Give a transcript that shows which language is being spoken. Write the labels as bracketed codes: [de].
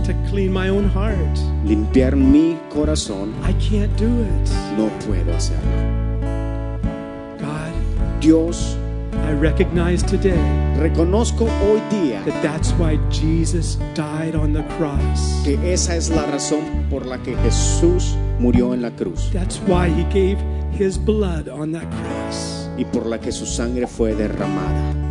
[en] to clean my own heart, [es] limpiar mi corazón. [en] I can't do it. [es] No puedo hacerlo. [en] God, [es] Dios, [en] I recognize today. [es] Reconozco hoy día [en] that that's why Jesus died on the cross. [es] Que esa es la razón por la que Jesús murió en la cruz. [en] That's why he gave his blood on that cross. [es] Y por la que su sangre fue derramada.